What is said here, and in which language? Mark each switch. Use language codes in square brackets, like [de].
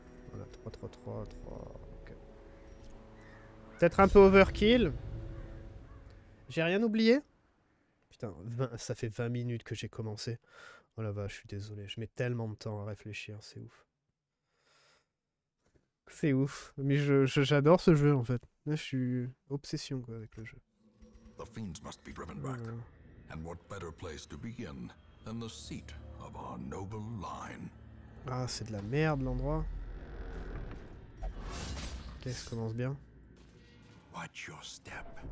[fr] Voilà, 3, 3, 3, 3. Okay. Peut-être un peu overkill. J'ai rien oublié? Putain, 20, ça fait 20 minutes que j'ai commencé. Oh la vache, je suis désolé. Je mets tellement de temps à réfléchir, c'est ouf. C'est ouf, mais j'adore ce jeu en fait. Là, je suis obsession quoi avec le jeu. [en] The fiends must be driven back. And what better place to begin than the seat of our noble line? [fr] Ah, c'est de la merde l'endroit. Ok, ça commence bien. [en] Watch your step.